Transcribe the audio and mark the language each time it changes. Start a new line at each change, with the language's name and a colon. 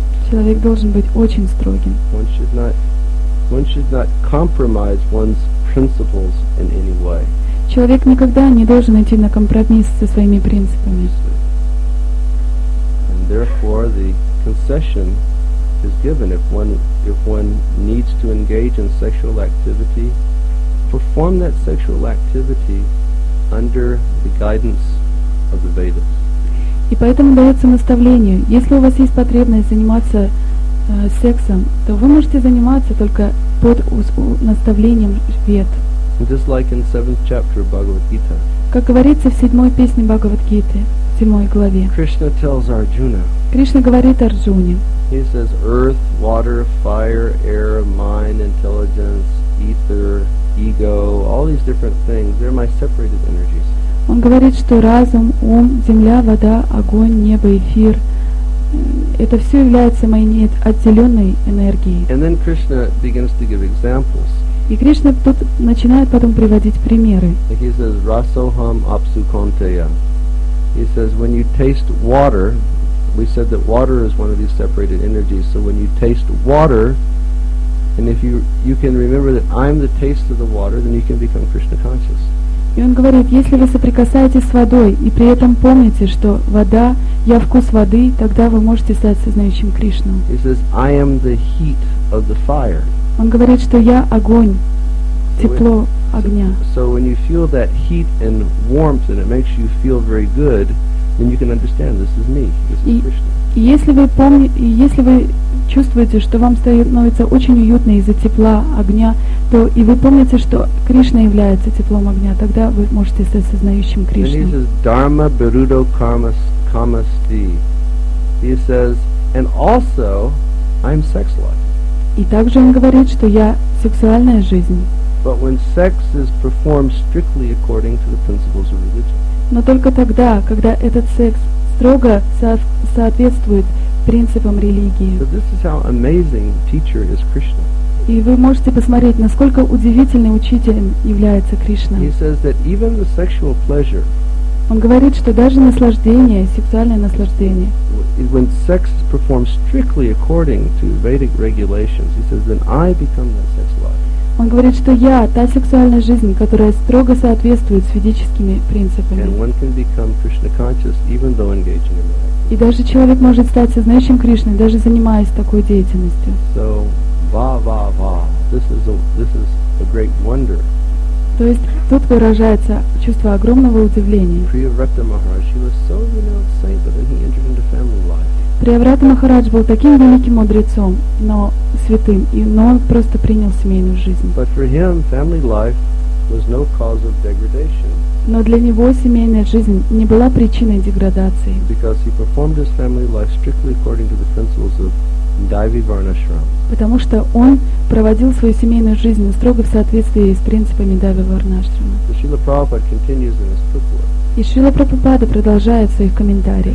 Russian: Человек должен быть очень строгим.
English: One should not compromise one's principles in any way.
Russian: Человек никогда не должен идти на компромисс со своими принципами.
English: And therefore the concession is given if one needs to engage in sexual activity, perform that sexual activity under the guidance of the Vedas.
Russian: И поэтому дается наставление, если у вас есть потребность заниматься сексом, то вы можете заниматься только под наставлением Вед.
English: Just like in 7th chapter of Bhagavad-gita.
Russian: Как говорится в 7-й песне Бхагавад-гиты, в 7-й главе.
English: Krishna tells Arjuna.
Russian: Кришна говорит Арджуне.
English: He says earth, water, fire, air, mind, intelligence, ether, ego, all these different things, they're my separated energies.
Russian: Он говорит, что разум, ум, земля, вода, огонь, небо, эфир, это все является моей отделенной энергией.
English: And then Krishna begins to give examples.
Russian: И Кришна тут начинает потом приводить примеры.
English: He says,
Sanskrit: Rasoham apsukanteya.
English: He says, when you taste water, we said that water is one of these separated energies, so when you taste water, and if you can remember that I'm the taste of the water, then you can become Krishna conscious.
Russian: И он говорит, если вы соприкасаетесь с водой и при этом помните, что вода, я вкус воды, тогда вы можете стать сознающим Кришну.
English: He says, I am the heat of the fire.
Russian: Он говорит, что я огонь, тепло огня.
English: So when you feel that heat and warmth and it makes you feel very good, then you can understand this is me, this is Krishna.
Russian: И если вы помните, если вы чувствуете, что вам становится очень уютно из-за тепла огня, то и вы помните, что Кришна является теплом огня, тогда вы можете стать сознающим Кришной.
English: And he says,
Sanskrit: Dharma Barudo Kamasti.
English: He says, and also I'm sex life.
Russian: И также он говорит, что я сексуальная жизнь.
English: But when sex is performed strictly according to the principles of religion.
Russian: Но только тогда, когда этот секс строго соответствует принципам религии.
English: So this is how amazing teacher is Krishna.
Russian: И вы можете посмотреть, насколько удивительным учителем является Кришна.
English: He says that even the sexual pleasure,
Russian: он говорит, что даже наслаждение, сексуальное наслаждение,
English: when sex is performed strictly according to Vedic regulations, he says, then I become that sex life.
Russian: Он говорит, что я та сексуальная жизнь, которая строго соответствует с ведическими принципами.
English: And one can become Krishna conscious, even though engaging in that.
Russian: И даже человек может стать сознающим Кришной, даже занимаясь такой деятельностью.
English: So, va. This is a great wonder.
Russian: То есть тут выражается чувство огромного удивления.
English: Priyavrata Maharaj, he was so renowned saint, but then he entered into family life.
Russian: Приаврата Махарадж был таким великим мудрецом, но святым, и но он просто принял семейную жизнь.
English: But for him, family life was no cause of degradation.
Russian: Но для него семейная жизнь не была причиной деградации.
English: Because he performed his family life strictly according to the principles of Daivi Varnashram.
Russian: Потому что он проводил свою семейную жизнь строго в соответствии с принципами Даиви Варнашрама.
English: So Srila Prabhupada continues in his purport.
Russian: И Шрила Прабхупада продолжает в своих комментариях.